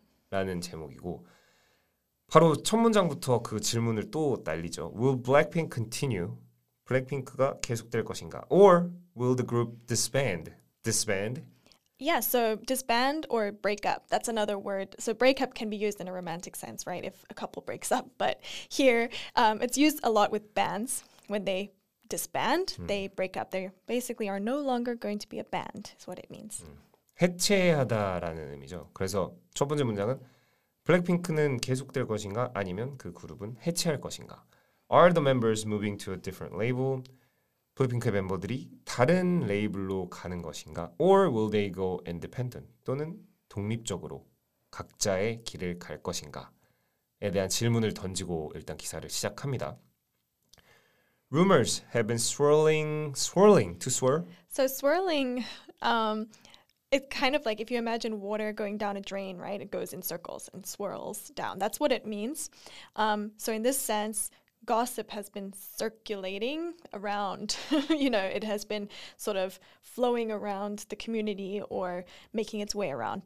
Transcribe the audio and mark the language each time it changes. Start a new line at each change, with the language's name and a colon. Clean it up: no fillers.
Korean: 라는 제목이고 바로 첫 문장부터 그 질문을 또 날리죠.
English: Will Blackpink continue?
Korean: 블랙핑크가 계속될 것인가?
English: Or will the group disband? Disband? Yeah, so disband or break up, that's another word. So break up can be used in a romantic sense, right, if a couple breaks up. But here, it's used a lot with bands when they disband. They break up. They basically are no longer going to be a band. Is what it means.
Korean: 해체하다라는 의미죠. 그래서 첫 번째 문장은 블랙핑크는 계속될 것인가 아니면 그 그룹은 해체할 것인가?
English: Are the members moving to a different label?
Korean: 블랙핑크 멤버들이 다른 레이블로 가는 것인가?
English: Or will they go independent?
Korean: 또는 독립적으로 각자의 길을 갈 것인가?에 대한 질문을 던지고 일단 기사를 시작합니다.
English: Rumors have been swirling. So swirling, it's kind of like if you imagine water going down a drain, right? It goes in circles and swirls down. That's what it means. So in this sense, gossip has been circulating around, you know, it has been sort of flowing around the community or making its way around.